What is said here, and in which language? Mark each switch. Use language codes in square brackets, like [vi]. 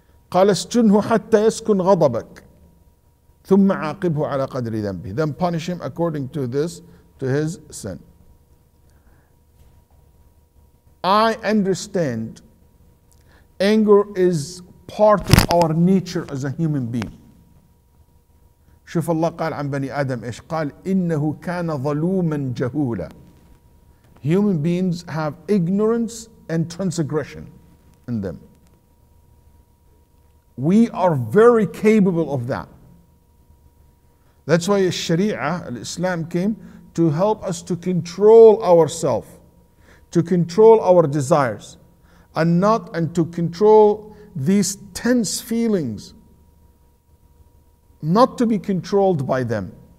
[ar] قَالَ اسْجُنْهُ حَتَّى يَسْكُنْ غَضَبَكَ ثُمَّ عَاقِبْهُ عَلَى قَدْرِ ذَنْبِهِ. [en] Then punish him according to this, to his sin. I understand anger is part of our nature as a human being. [ar] شوف الله قال عن بني آدم إيش قال إنه كان ظلوما جهولا. [en] Human beings have ignorance and transgression in them. We are very capable of that. That's why Sharia, Islam came to help us to control ourselves, to control our desires, and to control these tense feelings, not to be controlled by them.